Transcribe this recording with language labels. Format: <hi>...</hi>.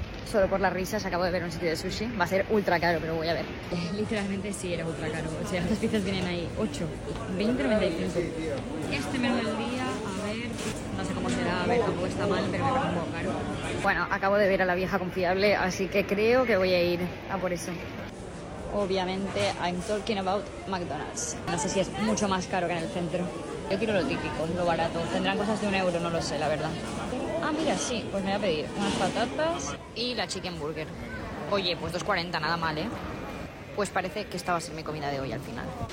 <es>Solo por las risas acabo de ver un sitio de sushi. Va a ser ultra caro, pero voy a ver. Literalmente sí, era ultra caro. O sea, estas pizzas vienen ahí 8, 20, 95. Este menú del día, a ver. No sé cómo será, a ver, tampoco está mal, pero me parece un poco caro. Bueno, acabo de ver a la vieja confiable, así que creo que voy a ir a por eso.</es> <en>Obviamente, I'm talking about McDonald's.</en> <es>No sé si es mucho más caro que en el centro. Yo quiero lo típico, lo barato. Tendrán cosas de 1 euro, no lo sé, la verdad. Ah, mira, sí, pues me voy a pedir unas patatas y la chicken burger. Oye, pues 2.40, nada mal, ¿eh? Pues parece que esta va a ser mi comida de hoy al final.</es>